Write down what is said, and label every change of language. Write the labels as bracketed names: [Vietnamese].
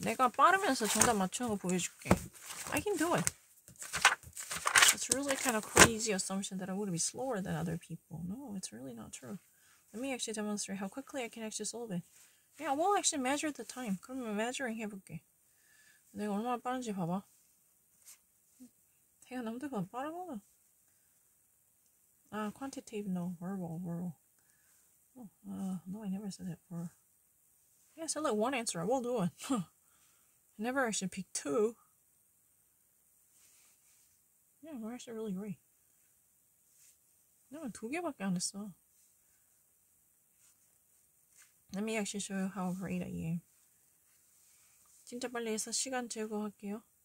[Korean] 내가 빠르면서 정답 맞추는 거 보여줄게. [English] I can do it. It's really kind of crazy assumption that I would be slower than other people. No, it's really not true. Let me actually demonstrate how quickly I can actually solve it. Yeah, we'll actually measure the time. [Korean] 그러면 measuring 해볼게. 내가 얼마나 빠른지 봐봐. 내가 남들보다 빠르구나. [English] 아, quantitative, no. Verbal. No, I never said that before. Yeah, so like one answer, I will do it. I never actually picked two. Yeah, we're actually really great. No, [Korean] 두 개밖에 안 했어. [English] Let me actually show you how great I am. [Korean] 진짜 빨리 해서 시간 제거할게요.